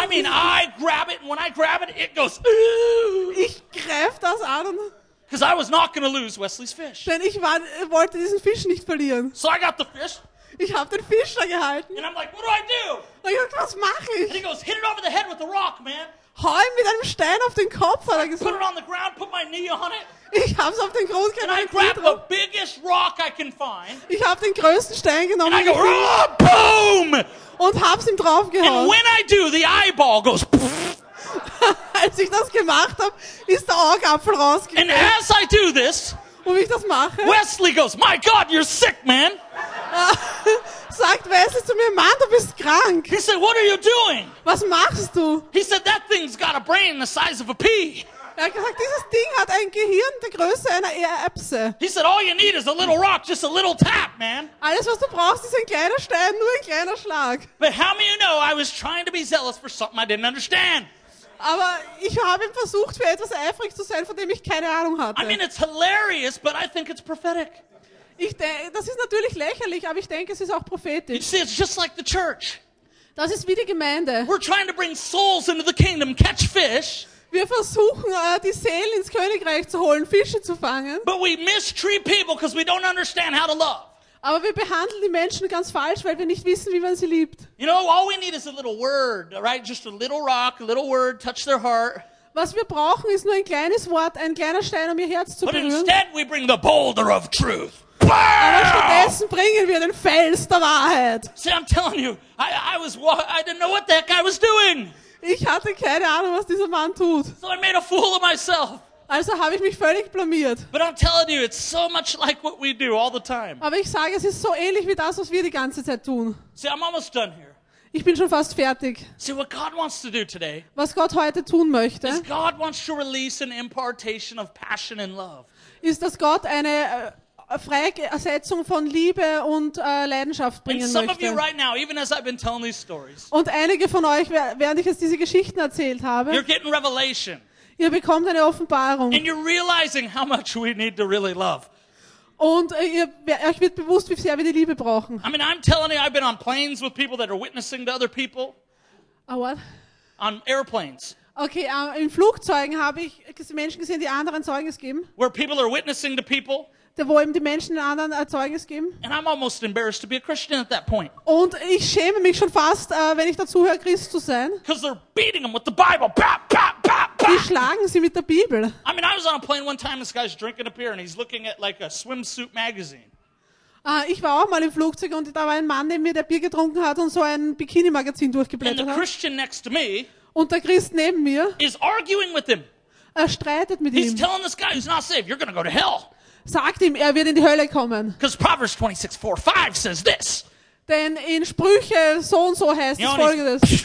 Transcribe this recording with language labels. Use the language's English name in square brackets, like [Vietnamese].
[English] I mean, I grab it, and when I grab it, it goes. [German] Ich greife das an. [English] Because I was not going to lose Wesley's fish. [German] Denn ich wollte diesen Fisch nicht verlieren. [English] So I got the fish. [German] Ich habe den Fisch da gehalten. [English] And I'm like, what do I do? [German] Und ich sag, was mache ich? [English] And he goes, hit it over the head with a rock, man. [German] Hau ihn mit einem Stein auf den Kopf, hat er gesagt. [English] Put it on the ground, put my knee on it. [German] Ich habe es auf den Grund genommen. [English] And I grab the biggest rock I can find. [German] Ich habe den größten Stein genommen. [English] And I go, boom! [German] Und hab's ihm drauf gehauen. [English] And when I do, the eyeball goes. [German] Als ich das gemacht habe, ist der Augapfel rausgegangen. [English] And as I do this, [German] und wie ich das mache, [English] Wesley goes, my God, you're sick, man. [German] Sagt Wesley zu mir, Mann, du bist krank. [English] He said, what are you doing? [German] Was machst du? [English] He said, that thing's got a brain the size of a pea. [German] Er hat gesagt, dieses Ding hat ein Gehirn der Größe einer Erbse. [English] He said, all you need is a little rock, just a little tap, man. [German] Alles, was du brauchst, ist ein kleiner Stein, nur ein kleiner Schlag. [English] But how many of you know I was trying to be zealous for something I didn't understand? [German] Aber ich habe versucht, für etwas eifrig zu sein, von dem ich keine Ahnung hatte. [English] I mean, it's hilarious, but I think it's prophetic. [German] Das ist natürlich lächerlich, aber ich denke, es ist auch prophetisch. [English] You see, it's just like the church. [German] Das ist wie die Gemeinde. [English] We're trying to bring souls into the kingdom, catch fish. [German] Wir versuchen, die Seelen ins Königreich zu holen, Fische zu fangen. [English] But we mistreat people because we don't understand how to love. [German] Aber wir behandeln die Menschen ganz falsch, weil wir nicht wissen, wie man sie liebt. [English] You know, all we need is a little word, right? Just a little rock, a little word, touch their heart. [German] Was wir brauchen, ist nur ein kleines Wort, ein kleiner Stein, um ihr Herz zu berühren. [English] But instead, we bring the boulder of truth. [German] Aber stattdessen bringen wir den Fels der Wahrheit. [English] See, I'm telling you, I didn't know what that guy was doing. [German] Ich hatte keine Ahnung, was dieser Mann tut. [English] So I made a fool of myself. [German] Also habe ich mich völlig blamiert. [English] But I'm telling you, it's so much like what we do all the time. [German] Aber ich sage, es ist so ähnlich wie das, was wir die ganze Zeit tun. [English] See, I'm almost done here. [German] Ich bin schon fast fertig. [English] See, what God wants to do today, [German] was Gott heute tun möchte, [English] is God wants to release an impartation of passion and love. [German] Ist, dass Gott eine Freisetzung von Liebe und Leidenschaft bringen [English] and some [German] möchte. [English] Of you right now, even as I've been telling these stories, [German] und einige von euch, während ich jetzt diese Geschichten erzählt habe, [English] you're getting revelation. [German] Ihr bekommt eine Offenbarung. [English] And you're realizing how much we need to really love. [German] Und euch wird bewusst, wie sehr wir die Liebe brauchen. [English] I mean, I'm telling you, I've been on planes with people that are witnessing to other people. A what? On airplanes. [German] Okay, in Flugzeugen habe ich Menschen gesehen, die anderen Zeugnis geben. [English] Where people are witnessing to people. [German] Wo eben die Menschen den anderen ein Zeugnis geben. [English] And I'm almost embarrassed to be a Christian at that point. [German] Und ich schäme mich schon fast, wenn ich dazu höre, Christ zu sein. [English] Because they're beating them with the Bible. Bap, bap, bap. [German] Die schlagen sie mit der Bibel. [English] I mean, I was on a plane one time, this guy's drinking a beer and he's looking at like a swimsuit magazine. [German] Ich war auch mal im Flugzeug und da war ein Mann neben mir, der Bier getrunken hat und so ein Bikini-Magazin durchgeblättert hat. [English] And the Christian next to me, [German] und der Christ neben mir, [English] is arguing with him. [German] Er streitet mit [English] he's [German] ihm. [English] He's telling this guy, he's not saved, you're gonna go to hell. [German] Sagt ihm, er wird in die Hölle kommen. [English] Because Proverbs 26:4-5 says this. [German] Denn in Sprüche so und so heißt es folgendes.